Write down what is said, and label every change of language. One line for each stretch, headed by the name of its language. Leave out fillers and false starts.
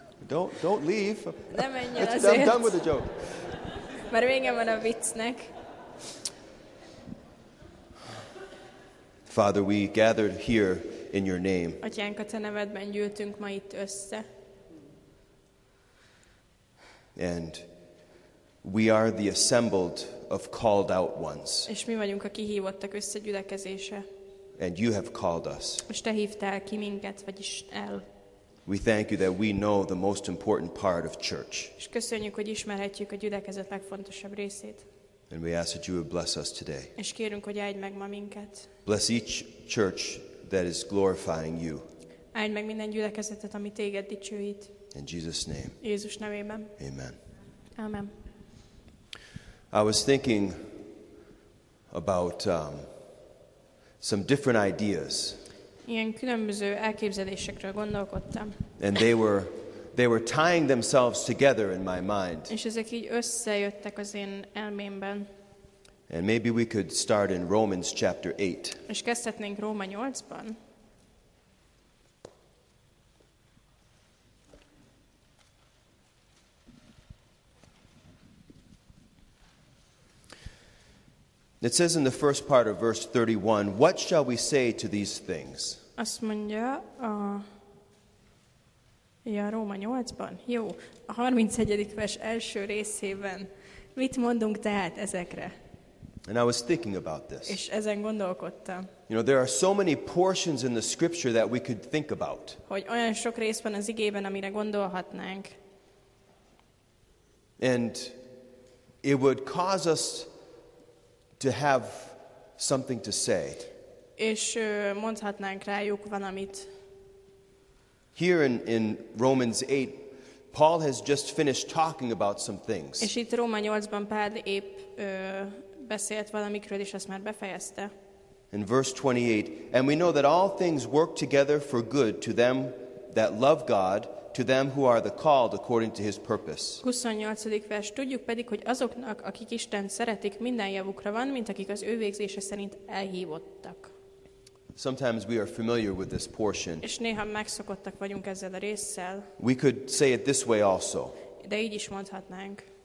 English: Don't leave.
Hungarian: Ne menj el azért.
English: I'm done with the joke.
Hungarian: Már vége van a viccnek.
English: Father, we gathered here in your name.
Hungarian: Atyánk, a te nevedben gyűltünk ma itt össze.
English: And we are the assembled of called out ones.
Hungarian: És mi vagyunk a kihívottak összegyülekezése.
English: And you have called us.
Hungarian: És te hívtál ki minket, vagyis el.
English: We thank you that we know the most important part of church.
Hungarian: És köszönjük, hogy ismerhetjük a gyülekezet legfontosabb részét.
English: And we ask that you would bless us today.
Hungarian: És kérünk, hogy áld meg ma minket.
English: Bless each church that is glorifying you.
Hungarian: Áld meg minden gyülekezetet, ami téged dicsőít.
English: In Jesus' name.
Hungarian: Jézus nevében.
English: Amen.
Hungarian: Amen.
English: I was thinking about some different ideas.
Hungarian: Ilyen különböző elképzelésekről gondolkodtam.
English: And they were tying themselves together in my mind.
Hungarian: És ezek így összejöttek az én elmémben.
English: And maybe we could start in Romans chapter 8.
Hungarian: És kezdhetnénk Róma 8-ban.
English: It says in the first part of verse 31, what shall we say to these things?
Hungarian: Azt mondja a Róma 8-ban. Jó, a 31. vers első részében. Mit mondunk tehát ezekre?
English: And I was thinking about this.
Hungarian: És ezen gondolkodtam.
English: You know, there are so many portions in the scripture that we could think about.
Hungarian: Hogy olyan sok rész van az igében, amire gondolhatnánk.
English: And it would cause us to have something to say.
Hungarian: És mondhatnánk rájuk valamit.
English: Here in Romans 8, Paul has just finished talking about some things.
Hungarian: És itt Róma 8-ban Pál épp beszélt valamikről, és ezt már befejezte.
English: In verse 28, and we know that all things work together for good to them that love God, to them who are the called according to his purpose.
Hungarian: 28. vers, tudjuk pedig, hogy azoknak, akik Isten szeretik, minden javukra van, mint akik az ő végzése szerint elhívottak.
English: Sometimes we are familiar with this portion.
Hungarian: És néha megszokottak vagyunk ezzel a résszel.
English: We could say it this way also.
Hungarian: De így is mondhatnánk.